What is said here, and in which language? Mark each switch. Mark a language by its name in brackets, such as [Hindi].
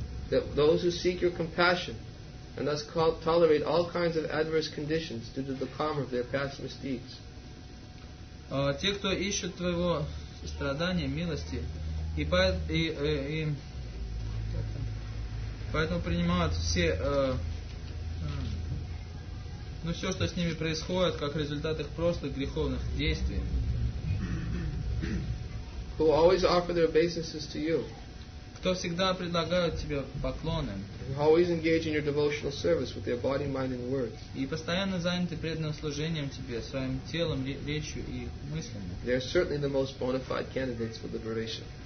[English] That those who seek your compassion and thus tolerate all kinds of adverse conditions due to the karma of their past misdeeds. [Russian] Те, кто ищут твоего страдания, милости, и поэтому принимают все, ну все, что с ними происходит, как результат их прошлых греховных действий. [English] Who always offer their obeisances to you? [Russian] Кто всегда предлагают тебе поклоны? [English] Who always engage in your devotional service with their body, mind, and words? [Russian] И постоянно заняты преданным служением тебе своим телом, речью и мыслями. [English] They are certainly the most bona fide candidates for liberation.